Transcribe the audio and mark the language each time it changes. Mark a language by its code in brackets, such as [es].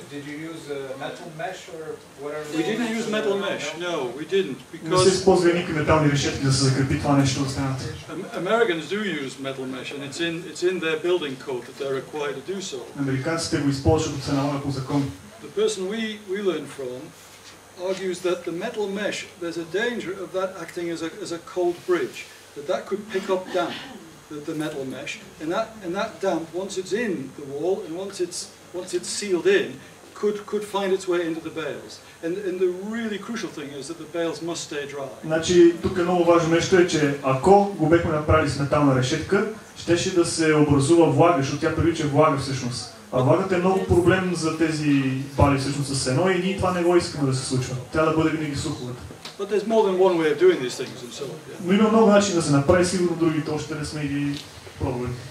[en] Did you use a metal mesh or whatever? We didn't use metal mesh. No, we didn't. Because [bg] не се използва никакви метални решетки да се закрепи това нещо от стената. [en] Americans do use metal mesh, and it's in their building code that they're required to do so. [bg] Американците го използват, се налага по закон. [en] The person we learned from argues that the metal mesh, there's a danger of that acting as a cold bridge, that could pick up damp, the metal mesh, and that damp, once it's in the wall and once it's sealed in, could find its way into the bales. And the really crucial thing is that the bales must stay dry. [bg] Значи тук е много важно нещо е, че ако го бехме направили с метална решетка, щеше да се образува влага, защото тя привлича влага всъщност. А влагата е много проблем за тези бали всъщност с сено и ние това не го искаме да се случва. Трябва да бъде винаги суховата. [en] But there's more than one way of doing these things and so on. [bg] Но има много начин да се направи, сигурно другите още не сме ги пробвали.